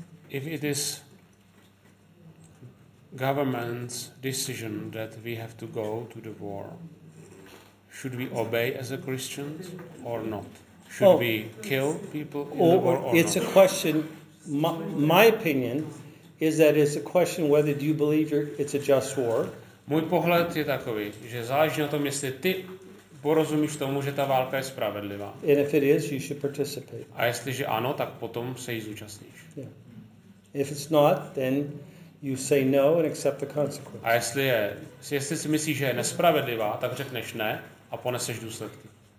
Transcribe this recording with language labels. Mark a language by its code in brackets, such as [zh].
[en] If it is government's decision that we have to go to the war, should we obey as a Christian or not? Should we kill people in the war or it's not? It's a question. My opinion is that it's a question whether do you believe it's a just war. [cs] Můj pohled je takový, že záleží na tom, jestli ty porozumíš tomu, že ta válka je spravedlivá. [en] And if it is, you should participate. [cs] A jestliže ano, tak potom se jí zúčastníš. [en] Yeah. If it's not, then you say no and accept the consequence. [cs] A jestli si myslíš, že je nespravedlivá, tak řekneš ne a poneseš důsledky.